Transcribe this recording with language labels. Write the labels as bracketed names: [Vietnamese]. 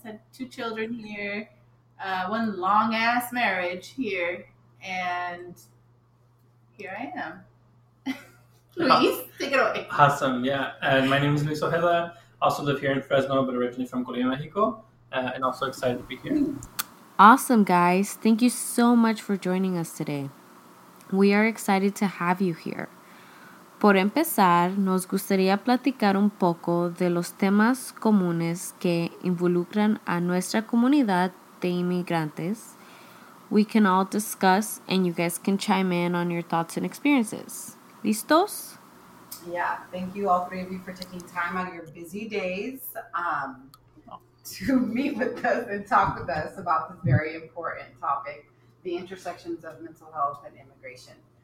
[English] Had two children here, one long-ass marriage here, and here I am. Luis, take it away. Awesome, yeah. And my name is Luis Ojeda. Also live here in Fresno, but originally from Colima, Mexico, and also excited to be here. Awesome, guys. Thank you so much for joining us today. We are excited to have you here. [Spanish] Por empezar, nos gustaría platicar un poco de los temas comunes que involucran a nuestra comunidad de inmigrantes. [English] We can all discuss and you guys can chime in on your thoughts and experiences. [Spanish] ¿Listos? [English] Yeah, thank you all three of you for taking time out of your busy days to meet with us and talk with us about this very important topic, the intersections of mental health and immigration.